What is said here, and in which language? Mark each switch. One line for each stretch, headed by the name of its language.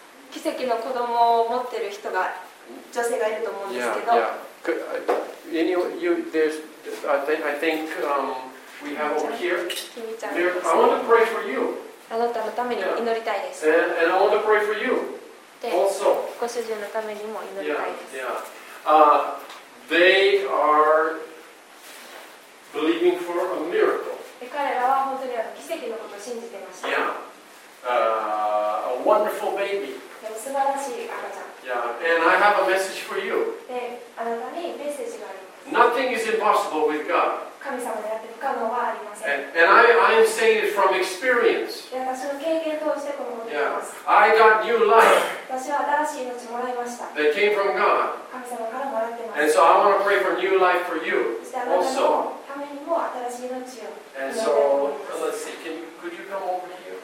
Japanese: 奇跡の子供を持ってる人が女性がいると思うんですけど。
English: Yeah, yeah. I think we have over here. Kimi-chan. I want to pray for you.
Japanese: あなたのために祈りたいです。
English: Yeah. And I want to pray for you. Also.
Japanese: ご主人のためにも祈りたいです。
English: Yeah. They are believing for a miracle.
Japanese: 彼らは本当に奇跡のことを信じてました。
English: Yeah. A wonderful baby.
Japanese: 素晴らしい赤ちゃん。
English: Yeah, and I have a message for you.
Japanese: あなたにメッセージがあります。
English: Nothing is impossible with God.
Japanese: 神様でやって不可能はありません。
English: And I am saying it from experience.
Japanese: 私の経験としてこう思っています。
English: Yeah, I got new life.
Japanese: 私は新しい命をもらいました。
English: That came from God.
Japanese: 神様からもらってます。
English: And so I want to pray for new life for you also.
Japanese: あなたのためにも新しい命を。
English: And so, let's see, could you come over here?